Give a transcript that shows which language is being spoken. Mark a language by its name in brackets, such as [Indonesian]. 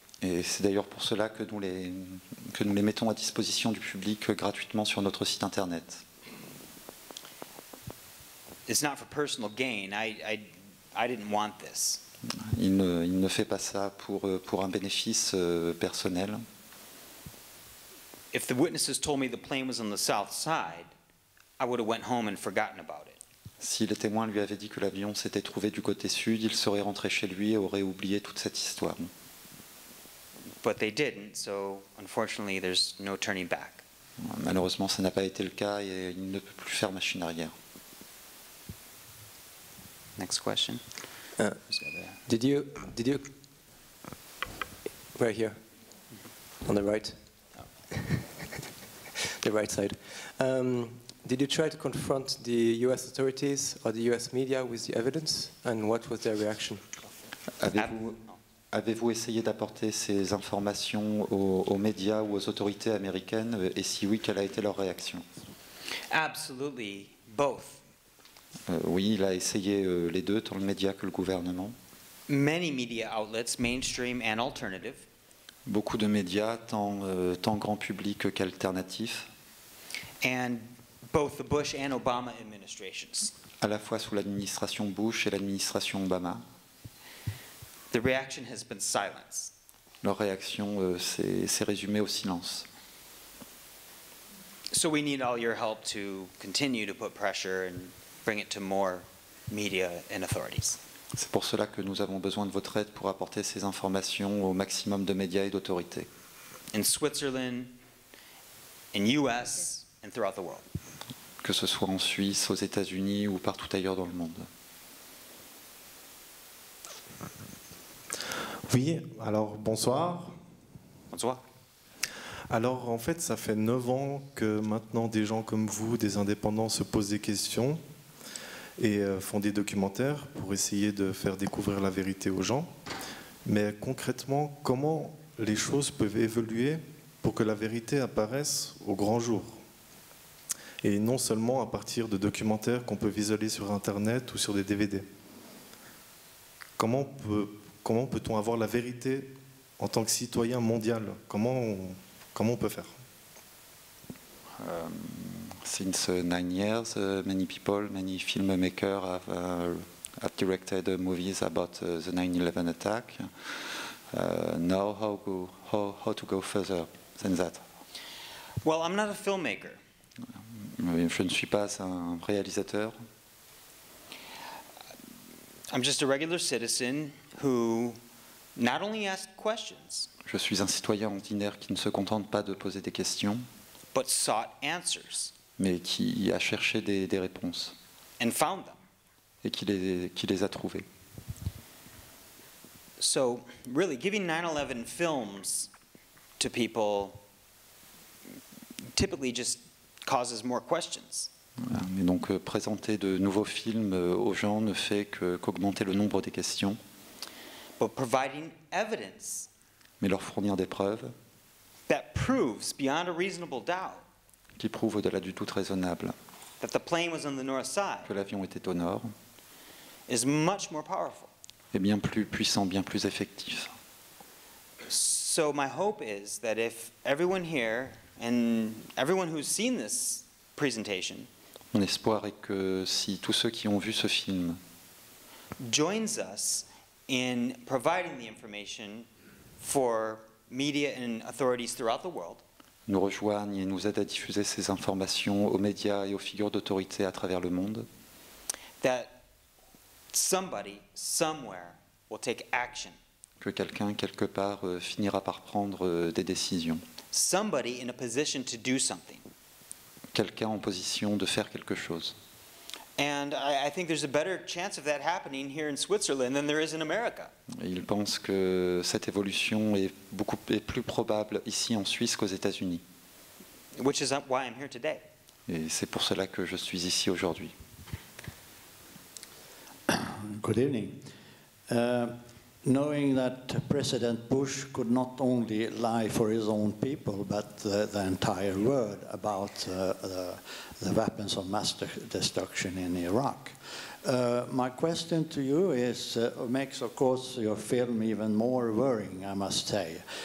[French] Et c'est d'ailleurs pour cela que nous les mettons à disposition du public gratuitement sur notre site internet. [English] It's not for personal gain. I didn't want this. [French] Il ne fait pas ça pour un bénéfice personnel. [English] If the witnesses told me the plane was on the south side, I would have went home and forgotten about it. [French] Si les témoins lui avaient dit que l'avion s'était trouvé du côté sud, il serait rentré chez lui et aurait oublié toute cette histoire. [English] But they didn't, so unfortunately there's no turning back. [French] Malheureusement, ça n'a pas été le cas et il ne peut plus faire machine arrière. [English] Next question. Did you right here on the right? Oh. The right side. Did you try to confront the US authorities or the US media with the evidence, and what was their reaction? [French] Avez-vous essayé d'apporter ces informations aux médias ou aux autorités américaines, et si oui, quelle a été leur réaction? [English] Absolutely, both. [French] Oui, il a essayé les deux, tant le média que le gouvernement. [English] Many media outlets, mainstream and alternative. [French] Beaucoup de médias, tant grand public qu'alternatif. [English] And both the Bush and Obama administrations. [French] À la fois sous l'administration Bush et l'administration Obama. [English] The reaction has been silence. [French] Leur réaction s'est résumée au silence. [English] So we need all your help to continue to put pressure and bring it to more media and authorities. [French] C'est pour cela que nous avons besoin de votre aide pour apporter ces informations au maximum de médias et d'autorités. [English] In Switzerland, in US, and throughout the world. [French] Que ce soit en Suisse, aux États-Unis ou partout ailleurs dans le monde. Oui, alors bonsoir. Bonsoir. Alors en fait, ça fait 9 ans que maintenant des gens comme vous, des indépendants, se posent des questions et font des documentaires pour essayer de faire découvrir la vérité aux gens. Mais concrètement, comment les choses peuvent évoluer pour que la vérité apparaisse au grand jour? Et non seulement à partir de documentaires qu'on peut visionner sur Internet ou sur des DVD. Comment peut-on avoir la vérité en tant que citoyen mondial? Comment on peut faire? [English] Since 9 years, many people, many filmmakers have directed movies about the 9/11 attack. Now, how to go further than that? Well, I'm not a filmmaker. [French] Je ne suis pas un réalisateur. [English] I'm just a regular citizen who not only asked questions. [French] Je suis un citoyen ordinaire qui ne se contente pas de poser des questions. [English] But sought answers. [French] Mais qui a cherché des réponses. [English] And found them. [French] Et qui les a trouvées. [English] So, really, giving 9/11 films to people typically just causes more questions. [French] Et donc, présenter de nouveaux films aux gens ne fait qu'augmenter le nombre des questions. [English] But providing evidence. [French] Mais leur fournir des preuves. [English] That proves beyond a reasonable doubt. [French] Qui prouve au-delà du tout raisonnable [English] that the plane was on the north side, [French] que l'avion était au nord [English] is much more powerful. [French] Et bien plus puissant, bien plus effectif. [English] So my hope is that if everyone here and everyone who's seen this presentation, [French] mon espoir est que si tous ceux qui ont vu ce film [English] joins us in providing the information for media and authorities throughout the world, [French] nous rejoignent et nous aident à diffuser ces informations aux médias et aux figures d'autorité à travers le monde. [English] That somebody, somewhere, will take action. [French] Que quelqu'un, quelque part, finira par prendre des décisions. [English] Somebody in a position to do something. [French] Quelqu'un en position de faire quelque chose. [English] And I think there's a better chance of that happening here in Switzerland than there is in America. [French] Ils pensent que cette évolution est plus probable ici en Suisse qu'aux États-Unis. [English] Which is why I'm here today. [French] Et c'est pour cela que je suis ici aujourd'hui. [English] Good evening. Knowing that President Bush could not only lie for his own people, but the entire world about the weapons of mass destruction in Iraq, my question to you is, makes, of course, your film even more worrying, I must say.